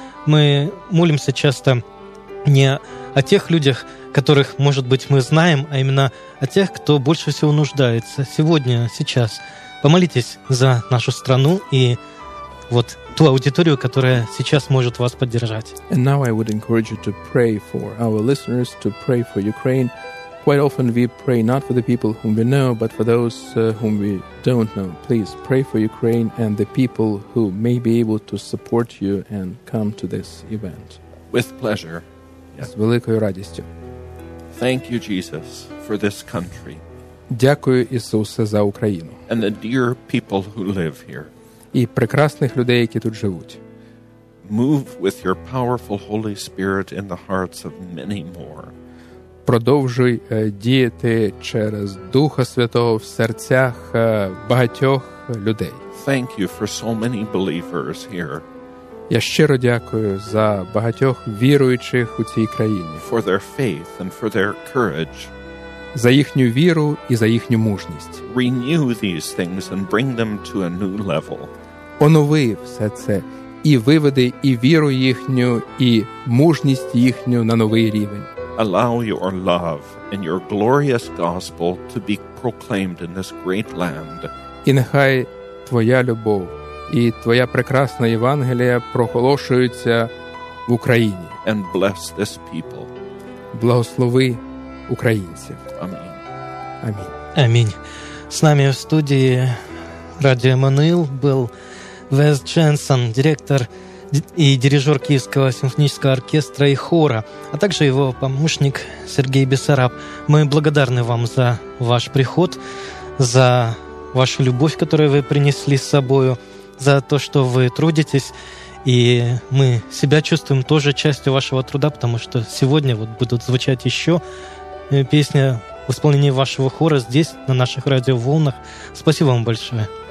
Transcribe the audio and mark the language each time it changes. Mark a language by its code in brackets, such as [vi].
[ru] Мы молимся часто не о тех людях, которых, может быть, мы знаем, а именно о тех, кто больше всего нуждается сегодня, сейчас. Помолитесь за нашу страну и вот ту аудиторию, которая сейчас может вас поддержать. [en] And now I would encourage you to pray for our listeners, to pray for Ukraine. Quite often we pray not for the people whom we know, but for those whom we don't know. Please pray for Ukraine and the people who may be able to support you and come to this event. With pleasure. [uk] З великою радістю. [en] Thank you, Jesus, for this country. [uk] Дякую, Ісусе, за Україну. [en] And the dear people who live here. [uk] І прекрасних людей, які тут живуть. [en] Move with your powerful Holy Spirit in the hearts of many more. [uk] Продовжуй діяти через Духа Святого в серцях багатьох людей. [en] Thank you for so many believers here. [uk] Я щиро дякую за багатьох віруючих у цій країні. [en] For their faith and for their courage. [uk] За їхню віру і за їхню мужність. [en] Renew these things and bring them to a new level. [uk] Онови все це і виведи і віру їхню, і мужність їхню на новий рівень. [en] Allow your love and your glorious gospel to be proclaimed in this great land. [uk] І нехай твоя любов і твоя прекрасна Євангелія проголошується в Україні. [en] And bless this people. [uk] Благослови українців. Амінь. Амінь. Амінь. З нами в студії Радіо Еммануїл був Вес Дженсен, директор і дирижер Київського симфонічного оркестра і хора, а також його помічник Сергій Бесараб. [ru] Ми благодарні вам за ваш приход, за вашу любовь, которую вы принесли с собою, за то, что вы трудитесь. И мы себя чувствуем тоже частью вашего труда, потому что сегодня вот будут звучать еще песни в исполнении вашего хора здесь, на наших радиоволнах. Спасибо вам большое.